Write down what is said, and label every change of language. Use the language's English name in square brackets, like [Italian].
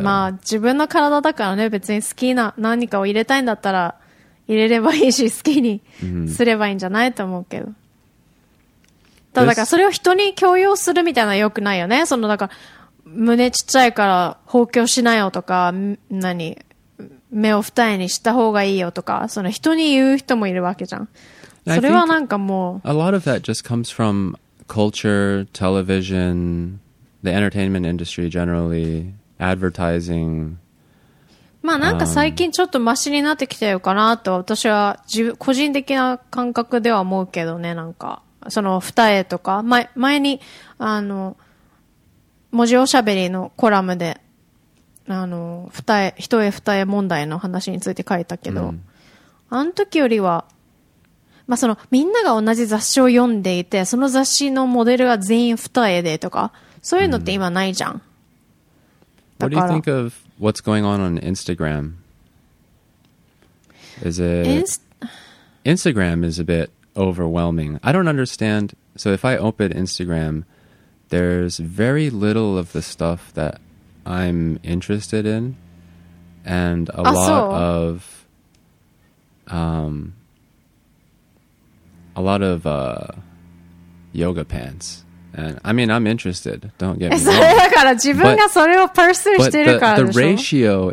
[Japanese] まあ自分の体だからね、別に好きな何かを入れたいんだったら入れればいいし、好きにすればいいんじゃないと思うけど、だからそれを人に強要するみたいなのはよくないよね。そのだから胸ちっちゃいから包茎しなよとか、何目を二重にした方がいいよとか、その人に言う人もいるわけじゃん。それはなんかもう [English] A lot of that just comes from culture, television, the entertainment industry generally, advertising. [Japanese] まあなんか最近ちょっとマシになってきてるかなと私は個人的な感覚では思うけどね。なんかその二重とか、前にあの文字おしゃべりのコラムで、あの、一重問題の話について書いたけど、あの時よりは、まあ、その、みんなが同じ雑誌を読んでいて、その雑誌のモデルが全員二重でとか、そういうのって今ないじゃん。 [English] What do you think of what's going on Instagram? Is it... Instagram is a bit overwhelming. I don't understand. So if I open Instagram... There's very little of the stuff that I'm interested in, and a lot of, yoga pants. And I mean, I'm interested. Don't get me wrong. [Japanese] だから自分がそれをパーソルしてるからでしょ?